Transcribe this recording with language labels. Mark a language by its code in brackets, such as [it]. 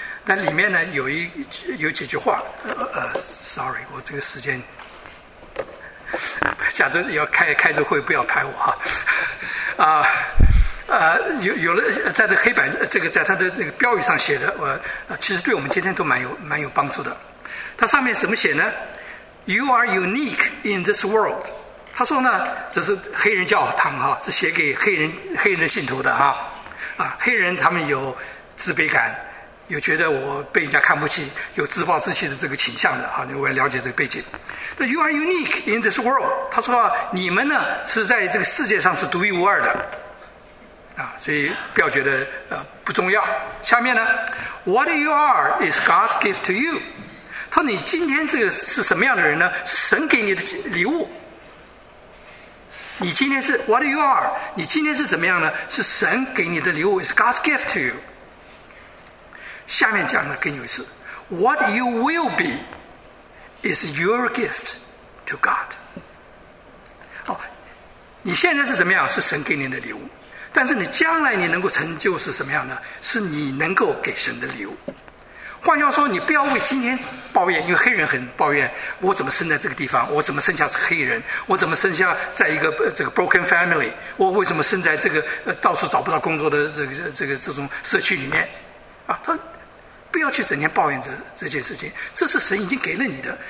[zh] 那里面呢有几句话，sorry， 我这个时间，下次要开着会不要拍我哈，有了在这黑板这个在他的这个标语上写的，我、其实对我们今天都蛮有帮助的。他上面怎么写呢 [en] ？You are unique in this world。 [zh] 他说呢，这是黑人教堂哈，是写给黑人信徒的哈，黑人他们有自卑感。有觉得我被人家看不起，有自暴自弃的这个倾向的啊，你我要了解这个背景。那 [en] You are unique in this world， [zh] 他说、啊、你们呢是在这个世界上是独一无二的啊，所以不要觉得不重要。下面呢 ， [en] What you are is God's gift to you， [zh] 他说你今天这个是什么样的人呢？是神给你的礼物。你今天是 [en] What you are， [zh] 你今天是怎么样呢？是神给你的礼物 ， [en] is God's gift to you。 [zh] 下面讲的更有意思 [en] What you will be is your gift to God、 [zh] 哦、你现在是怎么样是神给你的礼物，但是你将来你能够成就是什么样呢？是你能够给神的礼物。换句话说，你不要为今天抱怨，因为黑人很抱怨，我怎么生在这个地方，我怎么生下是黑人，我怎么生下在一个这个 broken family， 我为什么生在这个到处找不到工作的这种社区里面啊，他不要去整天抱怨这件事情，这是神已经给了你的。